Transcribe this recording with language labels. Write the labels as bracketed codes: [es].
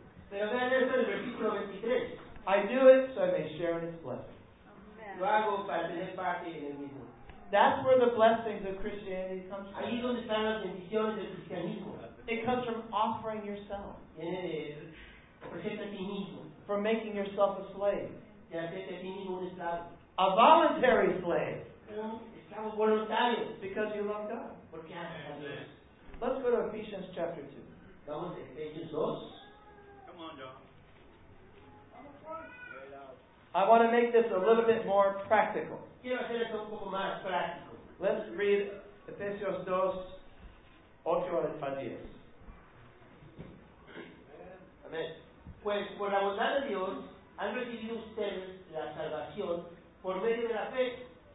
[es] Pero vean esto en el versículo 23. [en] I do it so I may share in his blessing. [es] Lo hago para tener parte en el mismo. [en] That's where the blessings of Christianity comes from. [es] Ahí donde están las bendiciones del cristianismo. [en] It comes from offering yourself. [es] Viene de ofrecerte a ti mismo. [en] From making yourself a slave. A voluntary slave. [es] Estamos voluntarios. [en] Because you love God. [es] Porque amas a Dios. [en] Let's go to Ephesians chapter 2. [es] Vamos a Ephesians 2. [en] Come on, John. I want to make this a little bit more practical. [es] Quiero hacer esto un poco más práctico. [en] Let's read Ephesians 2, 8 al 10. [es] Amén. Amén. Pues por la bondad de Dios han recibido ustedes la salvación por medio de la fe.